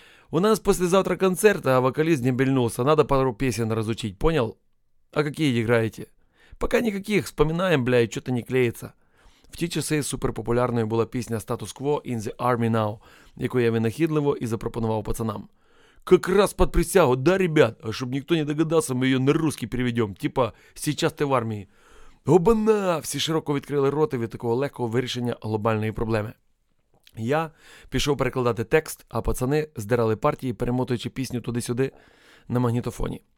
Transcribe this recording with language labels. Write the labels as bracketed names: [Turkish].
[Ukrainian] «У нас післязавтра концерт, а вокаліст знебільнувся, надо пару пісень розучить, понял? А які іграєте?» «Пока ніяких, вспоминаємо, бля, і чого-то не клеїться». В ті часи суперпопулярною була пісня «Status Quo – In the Army Now», яку я винахідливо і запропонував пацанам. [Russian] «Как раз под присягу, да, ребят? [Ukrainian] А щоб ніхто не догадався, [Russian] ми її на русский переведем, типа «Сейчас ты в армии». Обана!» [Ukrainian] – всі широко відкрили роти від такого легкого вирішення глобальної проблеми. Я пішов перекладати текст, а пацани здирали партії, перемотуючи пісню туди-сюди на магнітофоні.